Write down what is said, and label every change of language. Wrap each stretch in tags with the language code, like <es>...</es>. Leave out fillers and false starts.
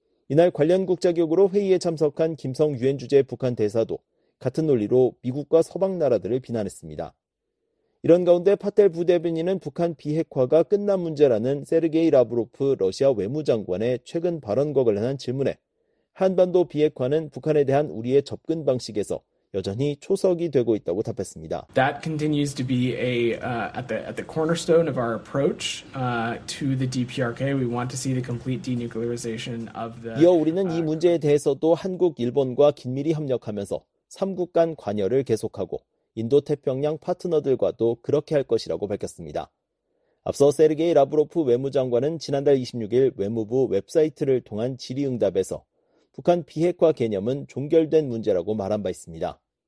<ko>이날 관련 국자격으로 회의에 참석한 김성 유엔 주재 북한 대사도 같은 논리로 미국과 서방 나라들을 비난했습니다. 이런 가운데 파텔 부대변인은 북한 비핵화가 끝난 문제라는 세르게이 라브로프 러시아 외무장관의 최근 발언과 관련한 질문에 한반도 비핵화는 북한에 대한 우리의 접근 방식에서 여전히 초석이 되고 있다고 답했습니다.</ko> <en>That continues to be at the cornerstone of our approach to the DPRK. We want to see the complete denuclearization of the.</en> <ko>이어 우리는 이 문제에 대해서도 한국, 일본과 긴밀히 협력하면서 3국 간 관여를 계속하고 인도 태평양 파트너들과도 그렇게 할 것이라고 밝혔습니다. 앞서 세르게이 라브로프 외무장관은 지난달 26일 외무부 웹사이트를 통한 질의응답에서 북한 비핵화 개념은 종결된 문제라고 말한 바 있습니다.</ko>